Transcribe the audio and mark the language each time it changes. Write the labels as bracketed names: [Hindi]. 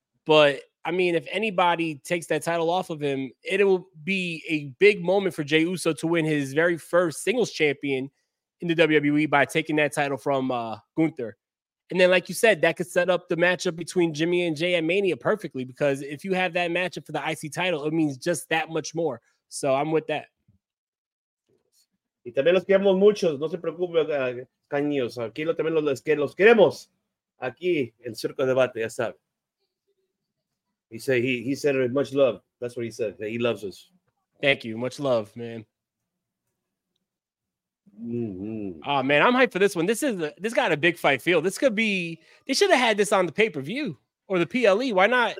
[English] But, I mean, if anybody takes that title off of him, it will be a big moment for Jey Uso to win his very first singles champion in the WWE by taking that title from Gunther. And then, like you said, that could set up the matchup between Jimmy and Jay at Mania perfectly, because if you have that matchup for the IC title, it means just that much more. So I'm with that. [Spanish] Y también los queremos muchos. No se preocupe, cañillos. Aquí también los queremos. Aquí, en Circo Debate, ya sabe. [English] He said, he said much love. That's what he said. That he loves us. Thank you. Much love, man. Mm-hmm. Oh man, I'm hyped for this one. This got a big fight feel. This could be. They should have had this on the pay per view or the PLE. Why not?